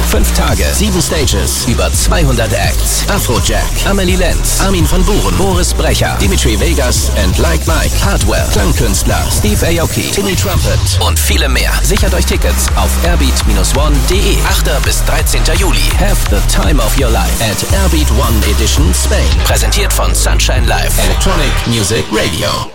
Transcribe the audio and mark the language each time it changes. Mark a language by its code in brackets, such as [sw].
[de] 5 Tage, 7 Stages, über 200 Acts. Afrojack, Amelie Lenz, Armin van Buuren, Boris Brecher, Dimitri Vegas and Like Mike, Hardwell, Klangkünstler, Steve Aoki, Timmy Trumpet und viele mehr. Sichert euch Tickets auf airbeat-one.de. 8. bis 13. Juli. [en] Have the time of your life at Airbeat One Edition Spain. [de] Präsentiert von Sunshine Live, Electronic Music Radio.